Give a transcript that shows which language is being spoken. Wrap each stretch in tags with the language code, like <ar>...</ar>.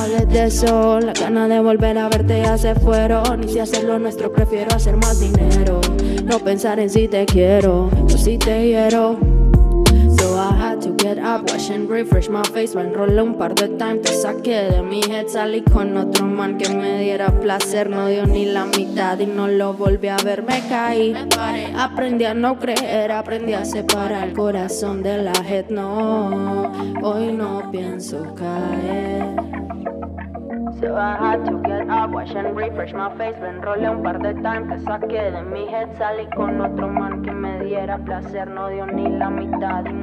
<es>De sol, la gana de volver a verte ya se fueron. Y si hacer lo nuestro, prefiero hacer más dinero. No pensar en si te quiero o si te hiero.</es> <en>So I had to get up, wash and refresh my face.</en> <es>Lo enrolé un par de</es> <en>times,</en> <es>te saqué de mi</es> <en>head.</en> <es>Salí con otro</es> <en>man</en> <es>que me diera placer. No dio ni la mitad y no lo volví a ver. Me caí, me paré, aprendí a no creer. Aprendí a separar el corazón de la</es> <en>head.</en> <es>No, hoy no pienso caer.</es> <en>So I had to get up, wash and refresh my face.</en> <es>Me enrolé un par de</es> <en>times,</en> <es>te saqué de mi</es> <en>head.</en> <es>Salí con otro</es> <en>man</en> <es>que me diera placer. No dio ni la mitad.</es>